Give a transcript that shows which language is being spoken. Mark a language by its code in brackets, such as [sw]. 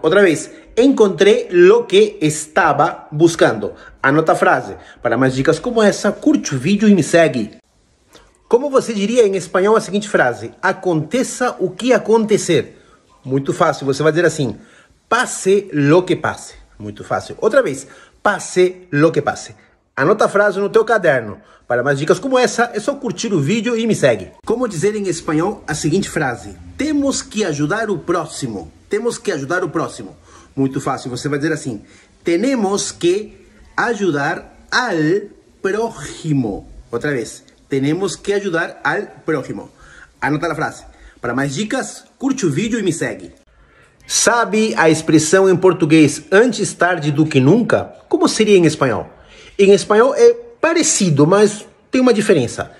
[pt] Outra vez: [es] Encontré lo que estaba buscando. [pt] Anota a frase. Para mais dicas como essa, curte o vídeo e me segue. Como você diria em espanhol a seguinte frase? Aconteça o que acontecer. Muito fácil, você vai dizer assim: [es] Pase lo que pase. [pt] Muito fácil. Outra vez: [es] Pase lo que pase. [pt] Anota a frase no teu caderno. Para mais dicas como essa, é só curtir o vídeo e me segue. Como dizer em espanhol a seguinte frase? Temos que ajudar o próximo. Temos que ajudar o próximo. Muito fácil, você vai dizer assim: [es] Tenemos que ajudar al prójimo. [pt] Outra vez. [es] Tenemos que ayudar al prójimo. Anota la frase. Para más dicas, curte el video y me sigue. ¿Sabe la expresión en portugués [pt] antes tarde do que nunca? [es] ¿Cómo sería en español? En español es parecido, mas tiene una diferencia.